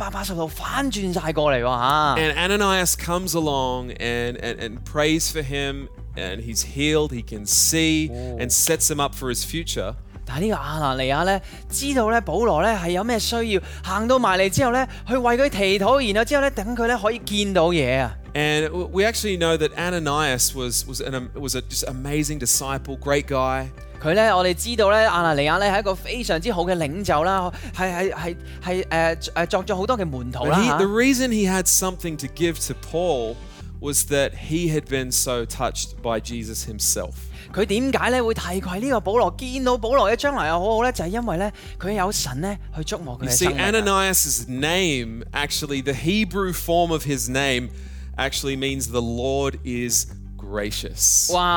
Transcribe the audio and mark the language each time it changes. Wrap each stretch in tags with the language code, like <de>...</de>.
<en>And Ananias comes along and prays for him and he's healed, he can see and sets him up for his future.</en> <zh>但这个亚拿尼亚知道保罗是有什么需要，走到过来之后，去为他祈祷，然后等他可以见到东西。</zh> <en>And we actually know that Ananias was just amazing disciple, great guy.</en> <zh>我们知道亚拿尼亚是一个非常好的领袖，作了很多的门徒。But</zh> <en>the reason he had something to give to Paul was that he had been so touched by Jesus himself.</en> <zh>他为什么会提携这个保罗，见到保罗的将来又好好呢，就是因为他有神去触摸他的生命。</zh> <en>You see, Ananias' name, actually, the Hebrew form of his name, actually means the Lord is gracious.</en>